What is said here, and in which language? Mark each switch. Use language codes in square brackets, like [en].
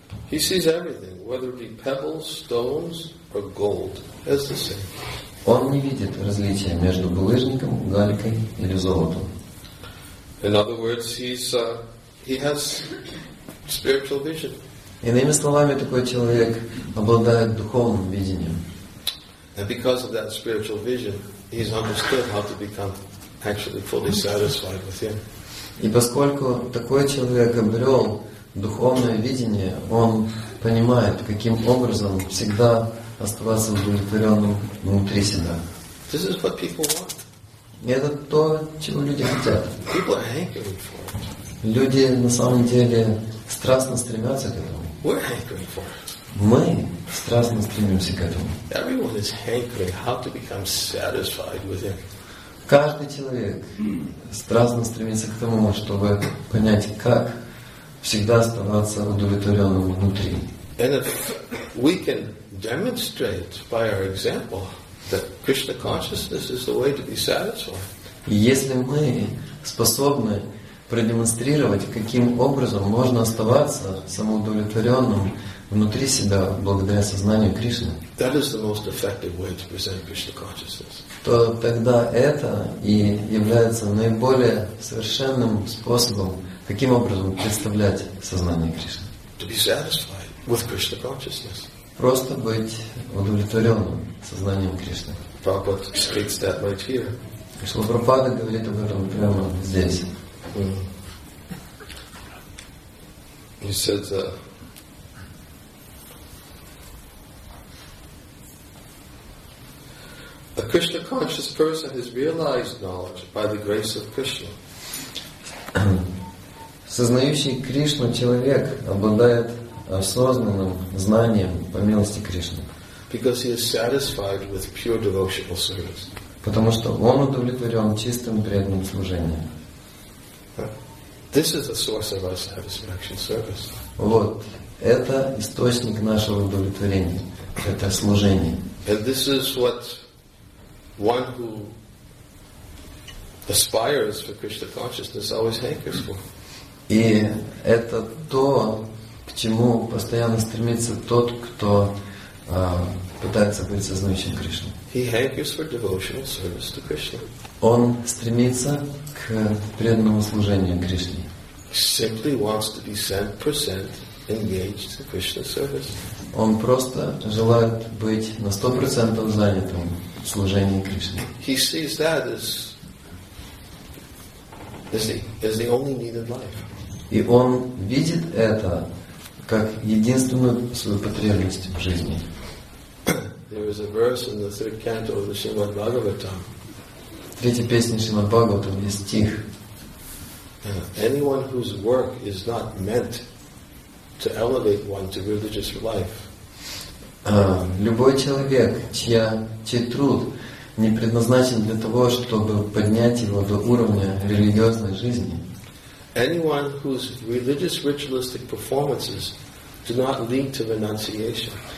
[en] He sees everything, whether it be pebbles, stones, or gold, as the same. [ru] Он не видит различия между булыжником, галькой или золотом. [en] In other words, he has spiritual vision. [ru] Иными словами, такой человек обладает духовным видением. [en] And because of that spiritual vision, he's understood how to become actually fully satisfied with him. [ru] И поскольку такой человек обрел духовное видение, он понимает, каким образом всегда оставаться удовлетворенным внутри себя. [en] This is what people want. [ru] И это то, чего люди хотят. [en] People are hankering for it. [ru] Люди на самом деле страстно стремятся к этому. [en] We're hankering for it. [ru] Мы страстно стремимся к этому. [en] Everyone is hankering how to become satisfied with it. [ru] Каждый человек страстно стремится к тому, чтобы понять, как всегда оставаться удовлетворенным внутри. [en] And if we can demonstrate by our example that Krishna consciousness is the way to be satisfied. [ru] Если мы способны продемонстрировать, каким образом можно оставаться самоудовлетворенным внутри себя благодаря сознанию Кришны, [en] that is the most effective way to present Krishna consciousness. [ru] То тогда это и является наиболее совершенным способом, каким образом представлять сознание Кришны. [en] To be satisfied with Krishna consciousness. [ru] Просто быть удовлетворенным сознанием Кришны. [en] Prabhupada states that right here. [ru] Шрила Прабхупада говорит об этом прямо здесь. [en] He said a Krishna conscious person has realized knowledge by the grace of Krishna. [ru] Сознающий Кришну человек обладает осознанным знанием по милости Кришны. [en] Because he is satisfied with pure devotional service. [ru] Потому что он удовлетворен чистым преданным служением. [en] This is the source of our satisfaction service. [ru] Вот это источник нашего удовлетворения, это служение. [en] And this is what one who aspires for Krishna consciousness always hankers for. [ru] И это то, к чему постоянно стремится тот, кто пытается быть сознающим Кришну. [en] He hankers for devotional service to Krishna. [ru] Он стремится к преданному служению Кришне. [en] simply wants to be 100% engaged in Krishna service. [ru] Он просто желает быть на 100% занятым в служении Кришне. [en] He sees that as the only need of life. [ru] И он видит это как единственную свою потребность в жизни. [en] There is a verse in the third canto of the Srimad Bhagavatam. [ru] В третьей песне Шримад Бхагаватам есть стих. [en] Anyone whose work is not meant to elevate one to religious life. [ru] Любой человек, чей труд не предназначен для того, чтобы поднять его до уровня религиозной жизни. [en] Anyone whose religious ritualistic performances do not lead to renunciation.